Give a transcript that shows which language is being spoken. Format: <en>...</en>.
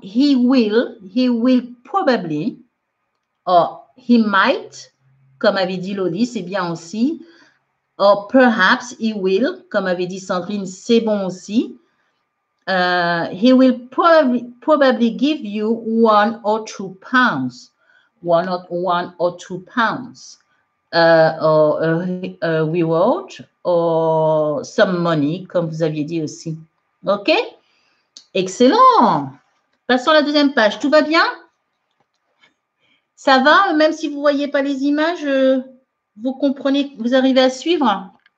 <en>He will probably, or he might,</en> <fr>comme avait dit Lolly, c'est bien aussi.</fr> <en>Or perhaps he will,</en> <fr>comme avait dit Sandrine, c'est bon aussi.</fr> <en>He will probably give you one or two pounds. One or two pounds. Or a reward or some money,</en> <fr>comme vous aviez dit aussi. OK? Excellent! Passons à la deuxième page. Tout va bien? Ça va? Même si vous ne voyez pas les images, vous comprenez, vous arrivez à suivre?</fr>